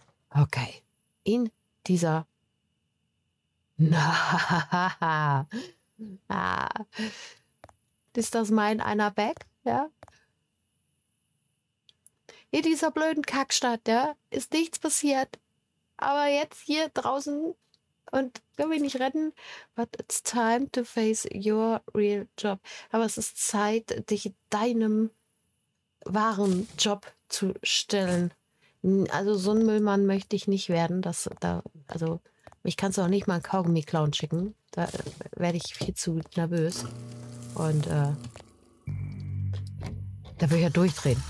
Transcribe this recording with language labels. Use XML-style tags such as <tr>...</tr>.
<de>Okay. In dieser. Na, ah. Ist das mein einer Back? Ja? In dieser blöden Kackstadt, ja? Ist nichts passiert. Aber jetzt hier draußen und können wir nicht retten.</de> <en>But it's time to face your real job.</en> <de>Aber es ist Zeit, dich deinem wahren Job zu stellen. Also so ein Müllmann möchte ich nicht werden. Das da, also mich kannst du auch nicht mal einen Kaugummi-Clown schicken. Da werde ich viel zu nervös. Und da würde ich ja durchdrehen.</de>